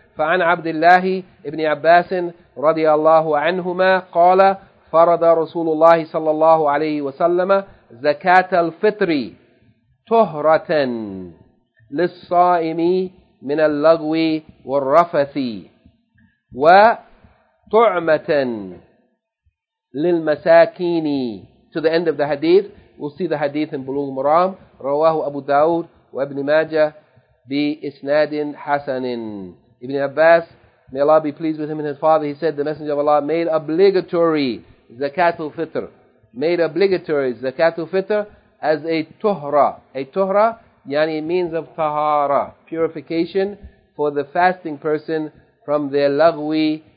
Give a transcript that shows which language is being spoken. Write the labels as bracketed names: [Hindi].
[Arabic] فَعَنْ عَبْدِ اللَّهِ إِبْنِ عَبَّاسٍ رَضِيَ اللَّهُ عَنْهُمَا قَالَ فَرَضَ رَسُولُ اللَّهِ صَلَّى اللَّهُ عَلَيْهِ وَسَلَّمَ زَكَاةَ الْفِطْرِ تُهْرَةً لِلصَّائِمِ مِنَ اللَّغْوِ وَالرَّفَثِ وَطُعْمَةً لِلْمَسَاكِينِ. [English] To the end of the hadith, we'll see the hadith in Bulugh Maram. [Arabic] رواه أبو داود وابن ماجه بإسناد حسن. [English] Ibn Abbas, may Allah be pleased with him and his father, he said, the Messenger of Allah made obligatory Zakatul Fitr. Made obligatory Zakatul Fitr as a tuhra. A tuhra, yani, means of tahara, purification for the fasting person from their lagwi